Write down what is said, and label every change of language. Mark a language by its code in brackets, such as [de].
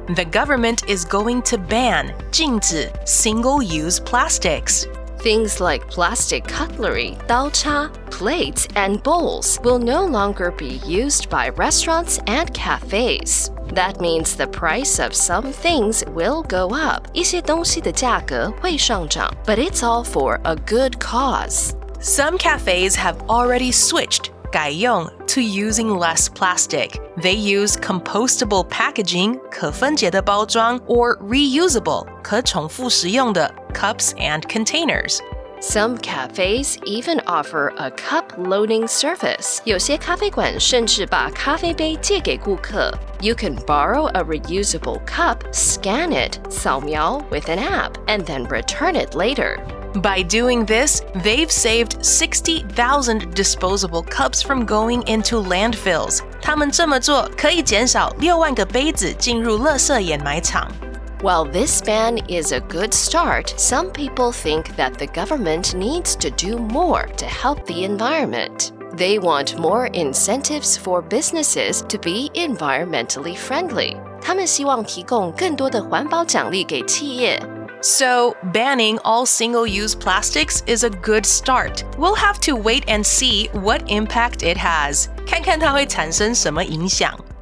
[en] The government is going to ban, 禁止, single-use plastics. Things like plastic cutlery, 刀叉, plates, and bowls will no longer be used by restaurants and cafes. That means the price of some things will go up. [zh] 一些东西的价格会上涨, [en] but it's all for a good cause. Some cafes have already switched 改用 to using less plastic. They use compostable packaging 可分解的包装 or reusable 可重复使用的 cups and containers. Some cafes even offer a cup loaning service. [zh] 有些咖啡馆甚至把咖啡杯借给顾客。 [en] You can borrow a reusable cup, scan it, 扫描 with an app, and then return it later. By doing this, they've saved 60,000 disposable cups from going into landfills. [zh] 他们这么做可以减少60,000个杯子进入垃圾掩埋场。 [en] While this ban is a good start, some people think that the government needs to do more to help the environment. They want more incentives for businesses to be environmentally friendly. [zh] 他们希望提供更多的环保奖励给企业。 [en] So, banning all single-use plastics is a good start. We'll have to wait and see what impact it has. [zh] 看看它会产生什么影响。